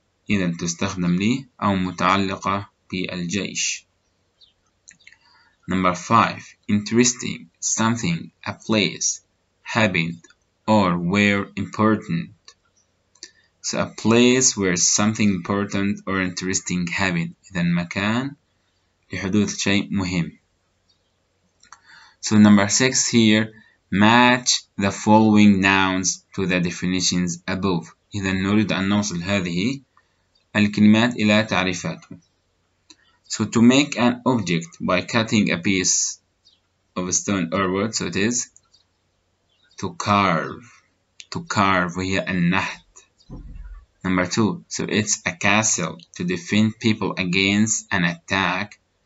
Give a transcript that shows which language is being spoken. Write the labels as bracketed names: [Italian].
[Arabic] إذا تستخدم لي أو متعلقة بالجيش. [English] Number five, interesting, something, a place, habit, or where important. So a place where something important or interesting happened. [Arabic] إذن مكان لحدوث شيء مهم. [English] So number six here, match the following nouns to the definitions above. [Arabic] إذن نريد أن نوصل هذه الكلمات إلى تعريفاته. [English] So to make an object by cutting a piece of a stone or wood, so it is to carve. To carve, [Arabic] وهي النحت. [English] Number two, so it's a castle to defend people against an attack.